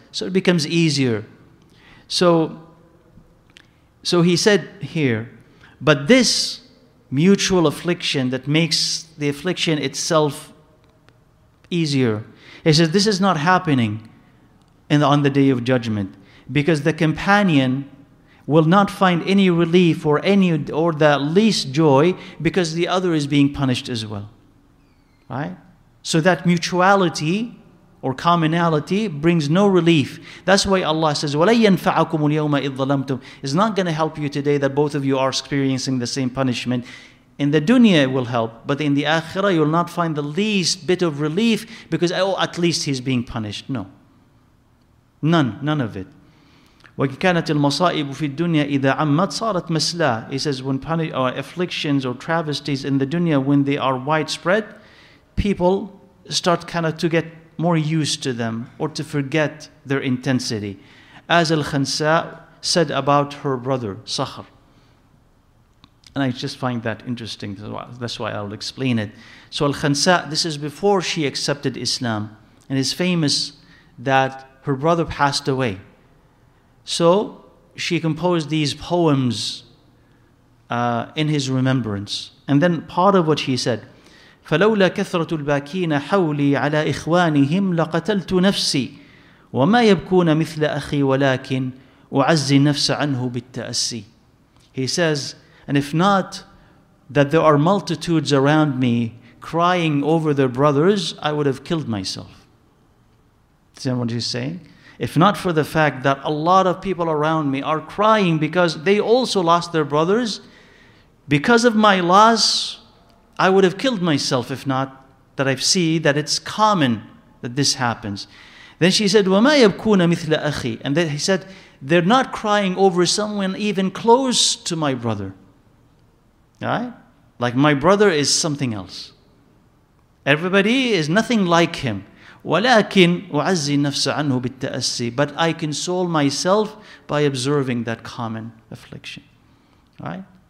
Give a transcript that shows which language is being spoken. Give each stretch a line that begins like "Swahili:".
English: So it becomes easier. So he said here, but this mutual affliction that makes the affliction itself easier, he says, this is not happening on the day of judgment, because the companion will not find any relief or the least joy, because the other is being punished as well. Right? So that mutuality or commonality brings no relief. That's why Allah says,
Arabic: وَلَن يَنْفَعَكُمُ الْيَوْمَ إِذْ ظَلَمْتُمْ.
English: It's not going to help you today that both of you are experiencing the same punishment. In the dunya it will help, but in the akhirah you will not find the least bit of relief, because oh, at least he's being punished. No. None of it.
Arabic: وَكَانَتِ الْمَصَائِبُ فِي الدُّنْيَا إِذَا عَمَّتْ صَارَتْ مَسْلَى.
English: He says, when afflictions or travesties in the dunya, when they are widespread, people start kind of to get more used to them or to forget their intensity. As Al-Khansa said about her brother, Sakhr. And I just find that interesting. That's why I'll explain it. So Al-Khansa, this is before she accepted Islam. And it's famous that her brother passed away. So she composed these poems in his remembrance. And then part of what she said,
Arabic: فلولا كثرة الباكين حولي على إخوانهم لقتلت نفسي وما يبكون مثل أخي ولكن أعزي النفس عنه بالتأسي.
English: He says, and if not that there are multitudes around me crying over their brothers, I would have killed myself. See what he's saying? If not for the fact that a lot of people around me are crying because they also lost their brothers, because of my loss, I would have killed myself if not that I see that it's common that this happens. Then she said,
Arabic: وَمَا يَبْكُونَ مِثْلَ أَخِي.
English: And then he said, they're not crying over someone even close to my brother. Right? Like my brother is something else. Everybody is nothing like him.
Arabic: وَلَكِنْ أُعَزِّي نَفْسَ عَنْهُ بِالتَّأَسِّي.
English: But I console myself by observing that common affliction. Right?